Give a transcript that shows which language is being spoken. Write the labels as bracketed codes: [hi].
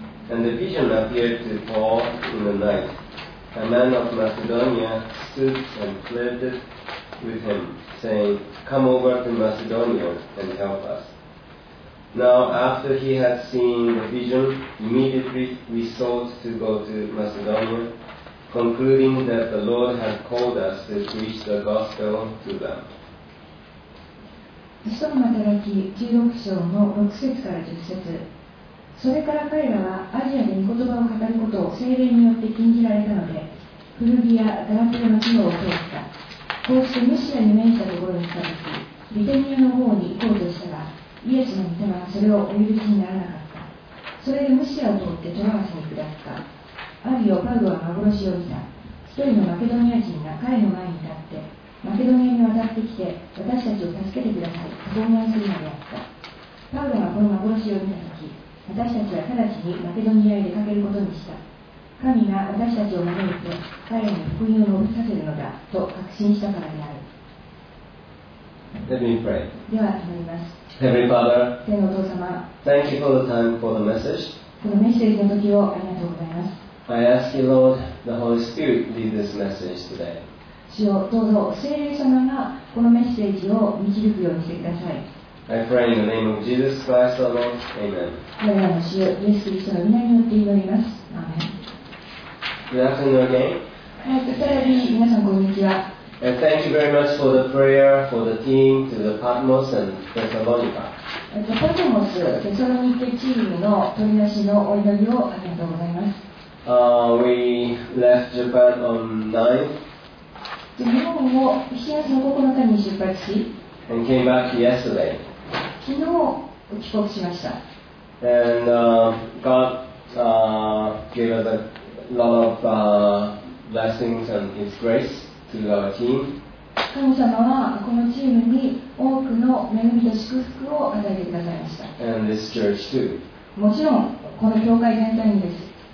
[en] And the vision appeared to Paul in the night. A man of Macedonia stood and pleaded with him, saying, Come over to Macedonia and help us. Now after he had seen the vision, immediately we sought to go to Macedonia, concluding that the Lord had called us to preach the gospel to them. [ja] 使徒の働き16章の6節から10節。それから彼らはアジアで御言葉を語ることを聖霊によって禁じられたので、フルギア・ガラテアの地を通った。こうしてムシアに面したところに来たとき、ビテニアの方に行こうとしたが、イエスの御手はそれをお許しにならなかった。それでムシアを通ってトラワサに下った。アビオ・パウロは幻を見た。一人のマケドニア人が彼の前に立って、マケドニアに渡ってきて私たちを助けてください、と懇願するのであった。パウロはこの幻を見たとき、私たちは直ちにマケドニアへ出かけることにした。神が私たちを招いて彼らに福音を述べさせるのだと確信したからである。 [en] Let me pray. [ja] では祈ります。 [en] Heavenly Father, [ja] 天のお父様、 [en] Thank you for the time for the message. [ja] このメッセージの時をありがとうございます。 [en] I ask you, Lord, the Holy Spirit lead this message today. [ja] 主よ、どうぞ聖霊様がこのメッセージを導くようにしてください。 [en] I pray in the name of Jesus Christ, our Lord. Amen. [ja] 我らの主よ、イエス・キリストの御名によって祈ります。アーメン。 [en] Good afternoon again. [ja] 再び皆さんこんにちは。 [en] And thank you very much for the prayer for the team to the Patmos and Thessalonica. [ja] Patmos、テサロニケチームの取り出しのお祈りをありがとうございます。 [en] We left Japan on 9th. [ja] 日本を7月の9日に出発し、 [en] and came back yesterday. [ja] 昨日帰国しました。 [en] And God gave us a lot of blessings and His grace to our team. [ja] 神様はこのチームに多くの恵みと祝福を与えてくださいました。 [en] And this church too. [ja] もちろんこの教会全体にです。